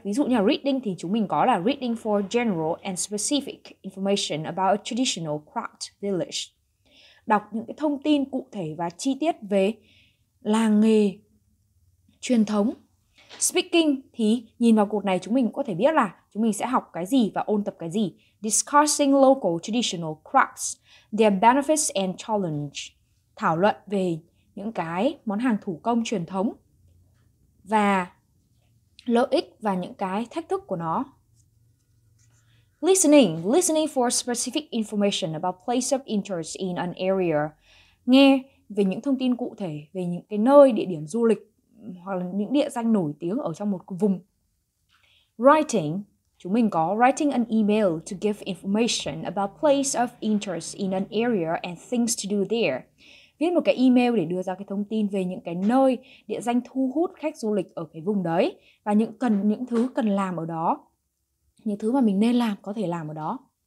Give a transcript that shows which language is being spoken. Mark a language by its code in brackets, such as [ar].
[vi] Ví dụ như reading thì chúng mình có là [en] reading for general and specific information about a traditional craft village. [vi] Đọc những cái thông tin cụ thể và chi tiết về làng nghề truyền thống. Speaking thì nhìn vào cột này chúng mình cũng có thể biết là chúng mình sẽ học cái gì và ôn tập cái gì. [en] Discussing local traditional crafts, their benefits and challenge. [vi] Thảo luận về những cái món hàng thủ công truyền thống và lợi ích và những cái thách thức của nó. [en] Listening, listening for specific information about place of interest in an area. [vi] Nghe về những thông tin cụ thể về những cái nơi, địa điểm du lịch hoặc là những địa danh nổi tiếng ở trong một vùng. Writing, chúng mình có [en] writing an email to give information about place of interest in an area and things to do there. [vi] Viết một cái email để đưa ra cái thông tin về những cái nơi, địa danh thu hút khách du lịch ở cái vùng đấy và những thứ cần làm ở đó. Những thứ mà mình nên làm, có thể làm ở đó.